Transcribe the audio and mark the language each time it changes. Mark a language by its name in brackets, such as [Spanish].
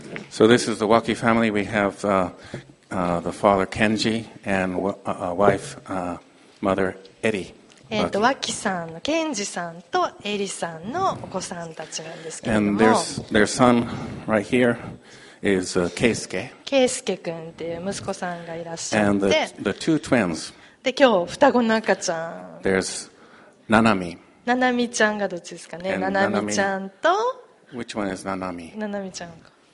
[English] So this is the Waki family. We have the father Kenji and wife mother Eddie. [Japanese] ワキさん、ケンジさんとエリさんのお子さんたちなんですけども。 [English] And their son right here. Is Keisuke. [Japanese] Keisuke君っていう息子さんがいらっしゃって、 [English] And the two twins. [Japanese] で今日双子の赤ちゃん。 [English] There's Nanami. [Japanese] Nanami ちゃんがどっちですかね。Nanami ちゃんと。 [English] Which one is Nanami? [Japanese] Nanami ちゃんか。